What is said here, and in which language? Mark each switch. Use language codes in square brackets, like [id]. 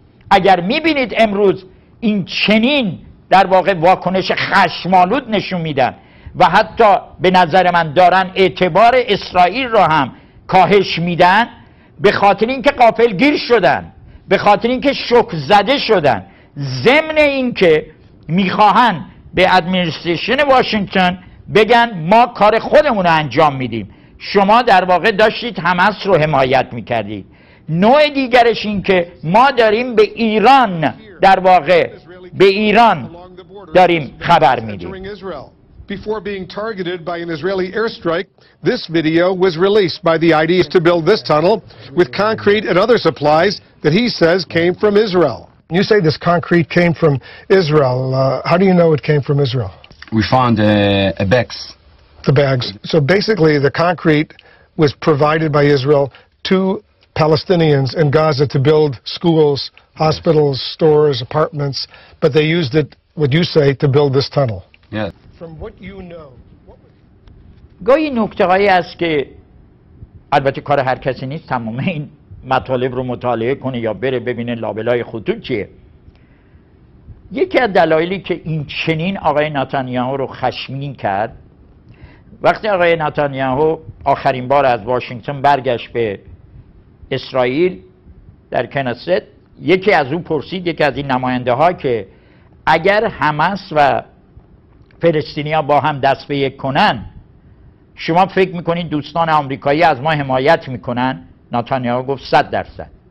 [fa] اگر میبینید امروز این چنین در واقع واکنش خشم‌آلود نشون میدن و حتی به نظر من دارن اعتبار اسرائیل را هم کاهش میدن، به خاطر اینکه غافلگیر شدن، به خاطر اینکه شوک زده شدن، ضمن اینکه میخواهن به ادمینستریشن واشنگتن بگن ما کار خودمون رو انجام میدیم، شما در واقع داشتید حماس رو حمایت میکردید. نوع دیگرش این که ما داریم به ایران، در واقع به ایران داریم خبر میدیم. [en] Before being targeted by an Israeli airstrike, this video was released by the IDF to build this tunnel with concrete and other supplies that he says came from Israel. You say this concrete came from Israel. How do you know it came from Israel? We found a bags. The bags. So basically, the concrete was provided by Israel to Palestinians in Gaza to build schools, hospitals, stores, apartments, but they used it, what you say, to build this tunnel. Yeah. From what you know, [fa] گاهی نکته هایی هست که البته کار هر کسی نیست تمام این مطالب رو مطالعه کنه یا بره ببینه لابلای خطوط چیه. یکی از دلایلی که این چنین آقای نتانیاهو رو خشمگین کرد، وقتی آقای نتانیاهو آخرین بار از واشنگتن برگشت به اسرائیل در کنست، یکی از او پرسید، یکی از این نماینده ها، که اگر حماس و فلسطینی ها با هم دست به یک کنن، شما فکر میکنین دوستان آمریکایی از ما حمایت میکنن؟ نتانیاهو گفت 100%.